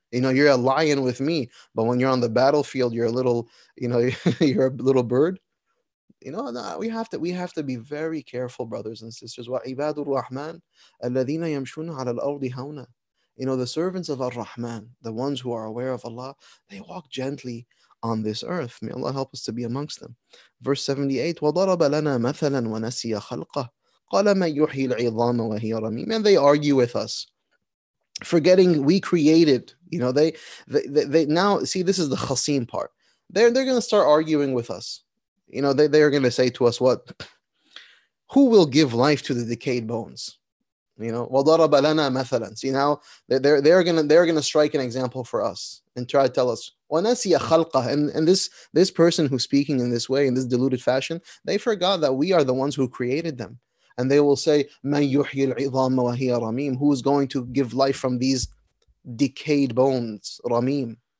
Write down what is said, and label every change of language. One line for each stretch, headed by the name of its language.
English: You know, you're a lion with me, but when you're on the battlefield, you're a little, you know, you're a little bird. You know, we have to be very careful, brothers and sisters.
Arabic: وَعِبَادُ الرَّحْمَنِ الَّذِينَ يَمْشُونَ عَلَى الْأَرْضِ هَوْنًا.
English: You know, the servants of Ar-Rahman, the ones who are aware of Allah, they walk gently on this earth. May Allah help us to be amongst them. Verse 78,
Arabic: وَضَرَبَ لَنَا مَثَلًا وَنَسِيَ خَلْقَهُ قَالَ مَنْ يُحْيِي الْعِظَامَ وَهِيَ رَمِيمٌ.
English: And they argue with us, forgetting we created. You know, they now, see, this is the khasim part. They're going to start arguing with us. You know, they're going to say to us, what? Who will give life to the decayed bones? You know,
Arabic: وَضَرَبَ لَنَا مَثَلًا.
English: See, now they're gonna strike an example for us and try to tell us,
Arabic: وَنَسِيَ خَلْقَهُ.
English: And this person who's speaking in this way, in this deluded fashion, they forgot that we are the ones who created them. And they will say,
Arabic: مَنْ يُحْيِي الْعِظَامَ وَهِيَ رَمِيمٌ.
English: Who is going to give life from these decayed bones, Rameem?